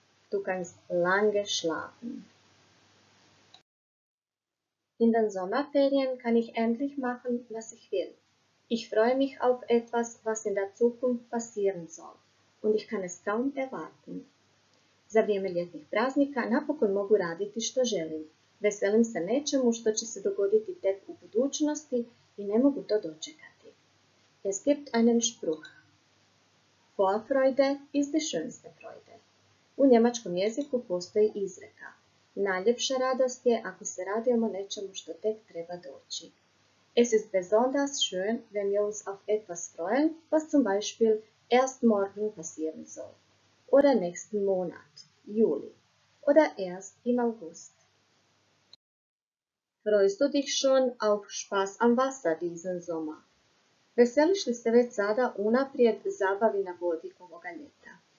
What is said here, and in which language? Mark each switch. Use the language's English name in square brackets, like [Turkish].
[German] Du kannst lange schlafen. In den Sommerferien kann ich endlich machen, was ich will. Ich freue mich auf etwas, was in der Zukunft passieren soll. Und ich kann es kaum erwarten. [Croatian] Za vrijeme ljetnih praznika napokon mogu raditi što želim. Veselim se nečemu što će se dogoditi tek u budućnosti i ne mogu to dočekati. [German] Es gibt einen Spruch. Vorfreude ist die schönste Freude. [Croatian] U njemačkom jeziku postoji izreka. Najljepša radost je ako se radujemo nečemu što tek treba doći. [German] Es ist besonders schön, wenn wir uns auf etwas freuen, was zum Beispiel erst morgen passieren soll. Oder nächsten Monat, Juli. Oder erst im August. Freust du dich schon auf Spaß am Wasser diesen Sommer? [Croatian] Veseliš li se već sada unaprijed zabavi na vodi ovoga ljeta?